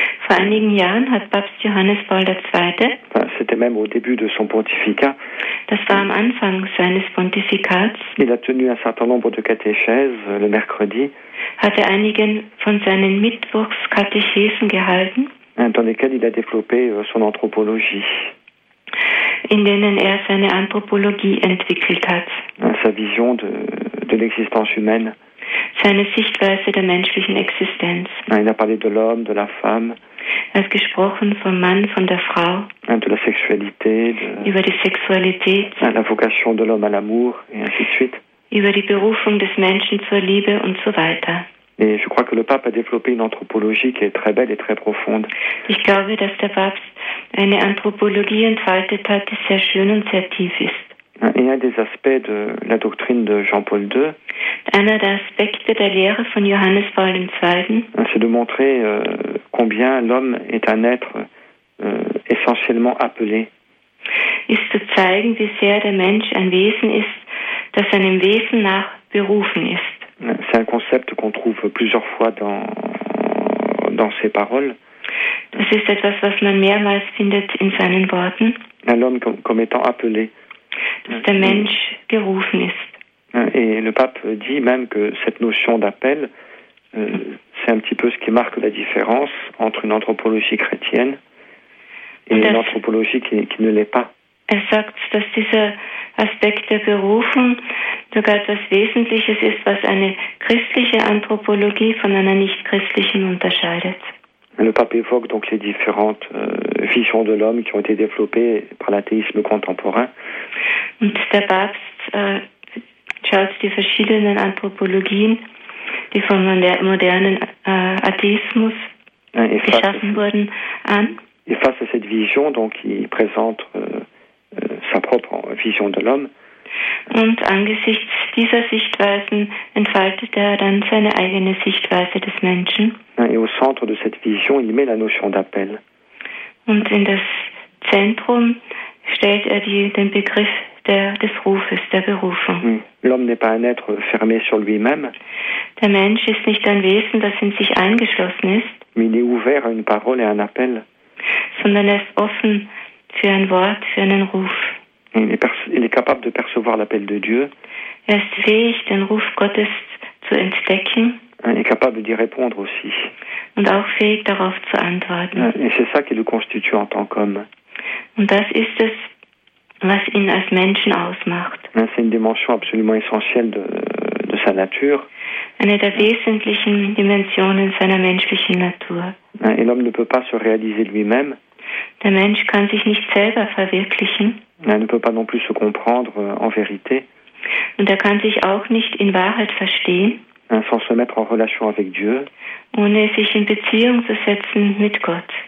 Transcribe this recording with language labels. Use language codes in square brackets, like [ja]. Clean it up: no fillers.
[de] Vor einigen Jahren hat Papst Johannes Paul II. [fr] C'était même au début de son pontificat. [de] Das war am Anfang seines Pontifikats. [fr] Il a tenu un certain nombre de catéchèses le mercredi. [de] Hat er einigen von seinen Mittwochskatechesen gehalten. [fr] Dans lesquels il a développé son anthropologie. [de] In denen er seine Anthropologie entwickelt hat. [fr] Sa vision de l'existence humaine. [de] Seine Sichtweise der menschlichen Existenz. [fr] Il a parlé de l'homme, de la femme. [de] Er hat gesprochen vom Mann, von der Frau. [fr] De la sexualité. [de] Über die Sexualität. [fr] La vocation de l'homme à l'amour, et ainsi de suite. [de] Über die Berufung des Menschen zur Liebe und so weiter. [fr] Et je crois que le pape a développé une anthropologie qui est très belle et très profonde. [de] Ich glaube, dass der Papst eine Anthropologie entfaltet hat, die sehr schön und sehr tief ist. [fr] Et un des aspects de la doctrine de Jean-Paul II. [de] Einer der Aspekte der Lehre von Johannes Paul II. [fr] C'est de montrer combien l'homme est un être essentiellement appelé. [de] Ist zu zeigen, wie sehr der Mensch ein Wesen ist, das seinem Wesen nach berufen ist. [fr] C'est un concept qu'on trouve plusieurs fois dans ses paroles. [de] Das ist etwas, was man mehrmals findet in seinen Worten. [fr] L'homme comme étant appelé. [de] Dass der Mensch gerufen ist. [fr] Et le pape dit même que cette notion d'appel, c'est un petit peu ce qui marque la différence entre une anthropologie chrétienne et une anthropologie qui ne l'est pas. [de] Er sagt, dass dieser Aspekt der Berufung sogar etwas Wesentliches ist, was eine christliche Anthropologie von einer nicht-christlichen unterscheidet. [fr] Le pape évoque donc les différentes visions de l'homme qui ont été développées par l'athéisme contemporain. [de] der Papst schaut die verschiedenen Anthropologien, die vom modernen Atheismus geschaffen wurden, an. [fr] Et face à cette vision, donc, il présente sa propre vision de l'homme. [de] Und angesichts dieser Sichtweisen entfaltet dann seine eigene Sichtweise des Menschen. [fr] Et au centre de cette vision, il met la notion d'appel. [de] Und in das Zentrum stellt den Begriff des Rufes, der Berufung. [fr] L'homme n'est pas un être fermé sur lui-même. [de] Der Mensch ist nicht ein Wesen, das in sich eingeschlossen ist. [fr] Mais il est ouvert à une parole et à un appel. [de] Sondern er ist offen für ein Wort, für einen Ruf. [fr] Il est capable de percevoir l'appel de Dieu. [de] Er ist fähig, den Ruf Gottes zu entdecken. [fr] Il est capable d'y répondre aussi. [de] Und auch fähig, darauf zu antworten. [fr] Et c'est ça qui le constitue en tant qu'homme. [de] Und das ist es, was ihn als Menschen ausmacht. [fr] C'est une dimension absolument essentielle de sa nature. [de] Eine der wesentlichen Dimensionen seiner menschlichen Natur. [fr] Et l'homme ne peut pas se réaliser lui-même. [de] Der Mensch kann sich nicht selber verwirklichen. [fr] Er ne peut pas non plus se comprendre en vérité. [de] Und er kann sich auch nicht in Wahrheit verstehen. [fr] Sans se mettre en relation avec Dieu. [de] Ohne sich in Beziehung zu setzen mit Gott.